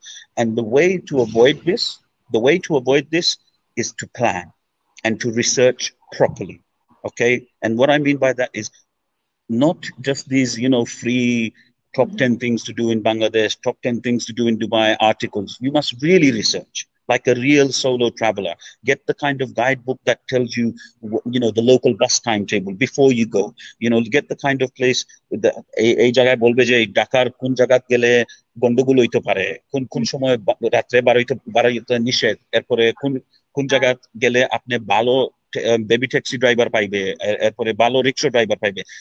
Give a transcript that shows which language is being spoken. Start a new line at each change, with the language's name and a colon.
English: And the way to avoid this, the way to avoid this is to plan and to research properly. Okay, and what I mean by that is not just this you know free top 10 things to do in Bangladesh, top 10 things to do in Dubai articles, you must really research like a real solo traveler. Get the kind of guidebook that tells you, you know, the local bus timetable before you go. You know, get the kind of place,
Bangla: এই জায়গায় বলবে যে ঢাকার কোন জায়গা গেলে গন্ডগোল হইতে পারে, কোন কোন সময় রাত্রে বাড়াইতে নিষেধ, এরপরে কোন কোন জায়গা গেলে আপনি ভালো বেবি ট্যাক্সি ড্রাইভার পাইবে, এরপরে ভালো রিক্সা ড্রাইভার পাইবে।